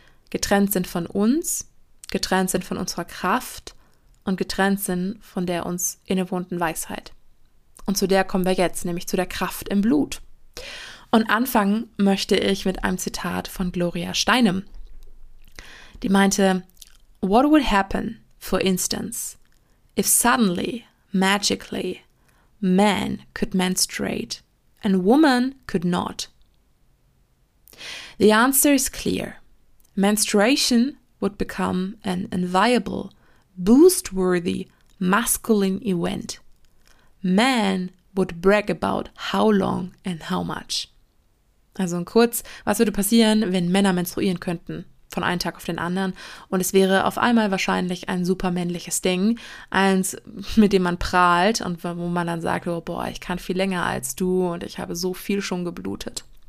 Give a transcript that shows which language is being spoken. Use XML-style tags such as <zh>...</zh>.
<de>Getrennt sind von uns, getrennt sind von unserer Kraft und getrennt sind von der uns innewohnten Weisheit. Und zu der kommen wir jetzt, nämlich zu der Kraft im Blut. Und anfangen möchte ich mit einem Zitat von Gloria Steinem. Die meinte:</de> <en>What would happen, for instance, if suddenly, magically, man could menstruate and woman could not? The answer is clear. Menstruation would become an inviolable, boost-worthy, masculine event. Man would brag about how long and how much.</en> <de>Also in kurz, was würde passieren, wenn Männer menstruieren könnten? Von einem Tag auf den anderen. Und es wäre auf einmal wahrscheinlich ein super männliches Ding. Eins, mit dem man prahlt und wo man dann sagt, oh boah, ich kann viel länger als du und ich habe so viel schon geblutet.</de>